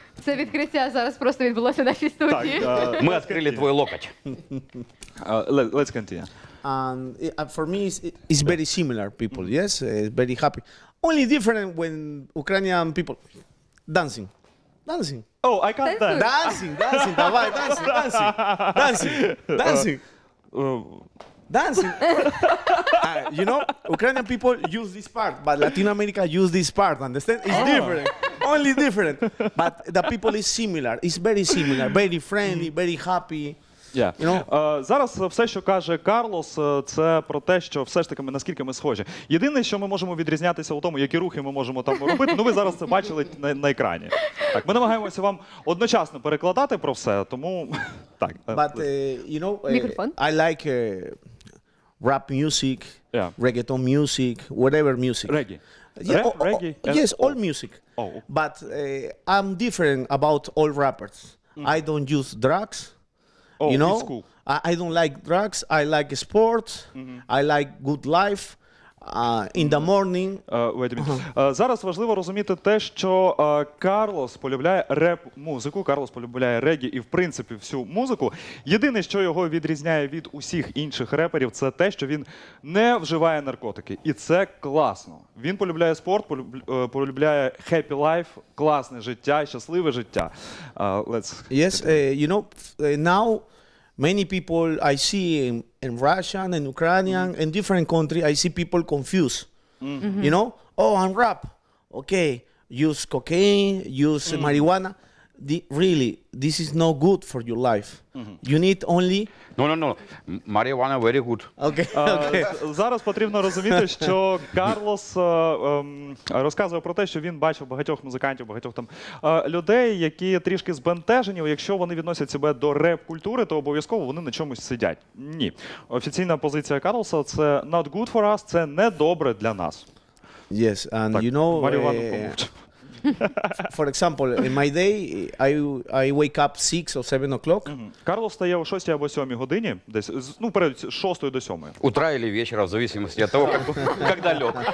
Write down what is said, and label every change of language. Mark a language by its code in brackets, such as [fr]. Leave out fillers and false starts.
[uk] Це відкриття зараз просто відбулося в нашій студії. Ми відкрили твій локоть. [en] Let's continue. And for me it's very similar people, yes? It's very happy. Only different when Ukrainian people dancing. Dancing. Oh, I can't dance. Dancing. Давай, dancing. Dancing. You know, Ukrainian people use this part, but Latin America use this part, understand? It's different. Only different. But the people is similar. It's very similar. Very friendly, very happy. Yeah. You know? [uk] Зараз все, що каже Карлос, це про те, що все ж таки ми наскільки ми схожі. Єдине, що ми можемо відрізнятися у тому, які рухи ми можемо там робити, ну ви зараз це бачили на екрані. Так, ми намагаємося вам одночасно перекладати про все, тому так. [en] But you know, I like rap music, yeah. Reggaeton music, whatever music. Reggae. Yeah, reggae. Yes, all music. Oh. But I'm different about all rappers. I don't use drugs. Oh, you know, it's cool. I don't like drugs. I like sports. I like good life. In the morning. [uk] Зараз важливо розуміти те, що Карлос полюбляє реп-музику, Карлос полюбляє регі і, в принципі, всю музику. Єдине, що його відрізняє від усіх інших реперів, це те, що він не вживає наркотики. І це класно. Він полюбляє спорт, полюбляє [en] happy life, [uk] класне життя, щасливе життя. [en] Let's... Yes, you know, now many people I see in Russian and Ukrainian in different country I see people confused. You know, oh, I'm rap, okay, use cocaine, use marijuana. really, this is no good for your life. Mm-hmm. You need only... No. Marijuana very good. Okay. [uk] Зараз потрібно розуміти, що Карлос розказує про те, що він бачив багатьох музикантів, багатьох там людей, які трішки збентежені. Якщо вони відносять себе до реп-культури, то обов'язково вони на чомусь сидять. Ні. Офіційна позиція Карлоса – це [en] not good for us, [uk] це не добре для нас. [en] Yes, and [uk] так, [en] you know... [uk] Марівану помовчу. [en] For example, in my day, I wake up 6 or 7 o'clock. [uk] Карло встає о 6 або 7 годині, десь, ну, перед 6 до 7. [ru] Утра или вечора, в зависимости от того, как далек.